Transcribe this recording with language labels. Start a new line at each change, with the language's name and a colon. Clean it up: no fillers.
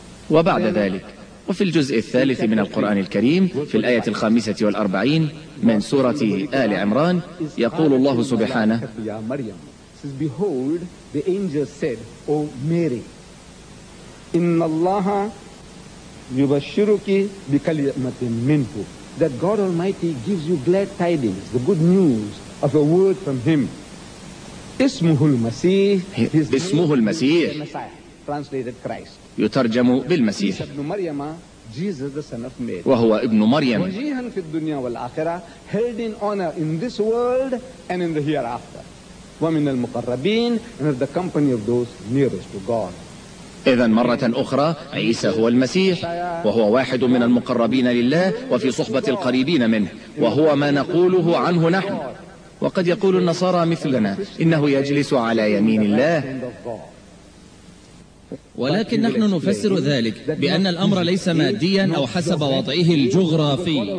Arabic: وبعد ذلك وفي الجزء الثالث من القرآن الكريم في الآية 45 من سورة آل عمران يقول الله سبحانه:
English: Behold, the angel said, O Mary,
Arabic: إن الله يبشرك بكلمة منه.
English: That God Almighty gives you glad tidings, the good news of a word from Him.
Arabic: اسمه المسيح. اسمه المسيح.
English: Translated Christ.
Arabic: يترجم بالمسيح. ابن مريم.
English: Jesus the son of Mary.
Arabic: وهو ابن مريم. وجيها في الدنيا والآخرة.
English: Held in honor in this world and in the hereafter.
Arabic: ومن المقربين
English: and of the company of those nearest to God.
Arabic: إذن مرة أخرى، عيسى هو المسيح وهو واحد من المقربين لله وفي صحبة القريبين منه، وهو ما نقوله عنه نحن. وقد يقول النصارى مثلنا إنه يجلس على يمين الله، ولكن نحن نفسر ذلك بأن الأمر ليس ماديا أو حسب وضعه الجغرافي،